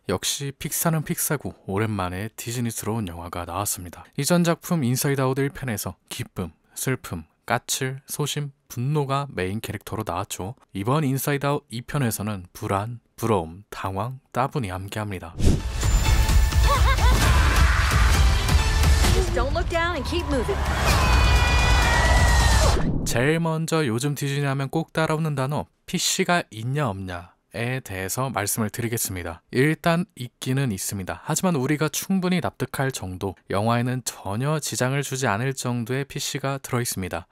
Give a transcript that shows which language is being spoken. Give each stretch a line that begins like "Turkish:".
Korean: 역시 픽사는 픽사고 오랜만에 디즈니스러운 영화가 나왔습니다. 이전 작품 인사이드 아웃 1편에서 기쁨, 슬픔, 까칠, 소심, 분노가 메인 캐릭터로 나왔죠. 이번 인사이드 아웃 2편에서는 불안, 부러움, 당황, 따분이 함께합니다.
English: Just don't look down and keep moving.
Korean: 제일 먼저 요즘 디즈니 하면 꼭 따라오는 단어 PC가 있냐 없냐에 대해서 말씀을 드리겠습니다. 일단 있기는 있습니다. 하지만 우리가 충분히 납득할 정도, 영화에는 전혀 지장을 주지 않을 정도의 PC가 들어있습니다.